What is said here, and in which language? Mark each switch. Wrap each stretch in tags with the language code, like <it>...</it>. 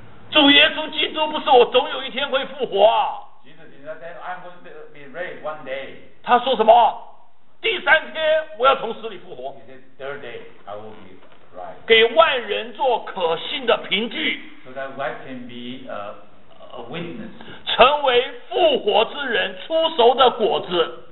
<zh>主耶稣基督不是我，总有一天会复活。</zh> <en>Jesus did not say I'm going to be raised one day.</en> <zh>他说什么？第三天我要从死里复活。</zh> <en>He said third day I will be raised.</en> <zh>给万人做可信的凭据。</zh> <en>So that I can be a witness.</en> <zh>成为复活之人出熟的果子。</zh>